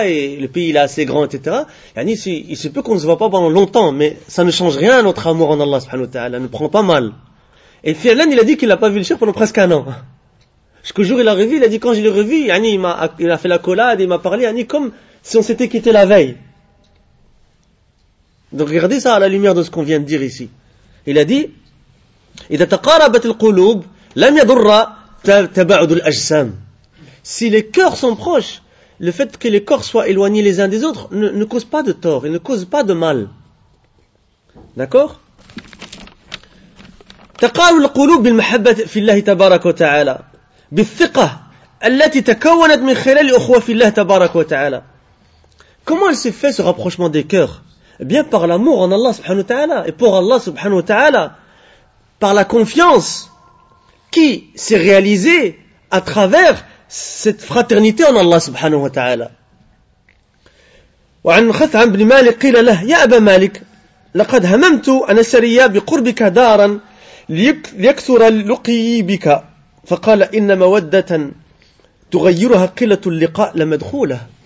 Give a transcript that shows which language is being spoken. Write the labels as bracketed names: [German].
[French] Et le pays, il est assez grand, etc. Il se peut qu'on ne se voit pas pendant longtemps, mais ça ne change rien à notre amour en Allah, subhanahu wa ta'ala, ne prend pas mal. Et Fialan, il a dit qu'il n'a pas vu le cheikh pendant presque un an. Jusqu'au jour où il a revu, il a dit, quand je l'ai revu, il a fait la collade, il m'a parlé, comme si on s'était quitté la veille. Donc regardez ça à la lumière de ce qu'on vient de dire ici. Il a dit, [Arabic] إِذَا تَقَارَبَتِ الْقُلُوبِ لَمْ يَضُرَّ تَبَعُدُ الْأَجْسَامِ. [French] Si les cœurs sont proches, le fait que les corps soient éloignés les uns des autres ne cause pas de tort, il ne cause pas de mal. D'accord ? [Arabic] تَقَارُ الْقُلُوبِ بِالْمَحَبَّةِ فِي اللَّهِ تَبَارَكُ وَتَعَالَى بالثقة التي تكونت من خلال أخوة في الله تبارك وتعالى. [French] Comment elle s'est fait ce rapprochement des cœurs? Bien par l'amour en Allah subhanahu wa ta'ala et pour Allah subhanahu wa ta'ala, par la confiance qui s'est réalisée à travers cette fraternité en Allah subhanahu wa ta'ala. [Arabic] وعن خثعم بن مالك قيل له يا أبا مالك لقد هممت أن أسري بقربك دارا ليكثر لقي بك. فقال إن مودة تغيرها قلة اللقاء لمدخولة.